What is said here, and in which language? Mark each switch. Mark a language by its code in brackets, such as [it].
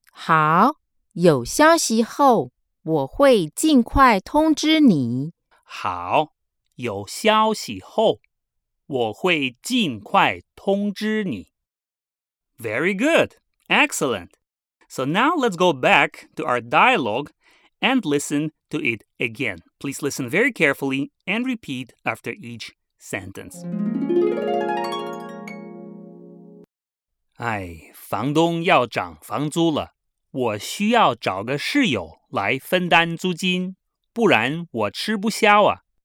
[zh] 好,有消息后,我会尽快通知你。好,有消息后,我会尽快通知你。 [en] Very good, excellent. So now let's go back to our dialogue and listen to it again. Please listen very carefully and repeat after each sentence. [zh] 哎，房东要涨房租了，我需要找个室友来分担租金，不然我吃不消啊。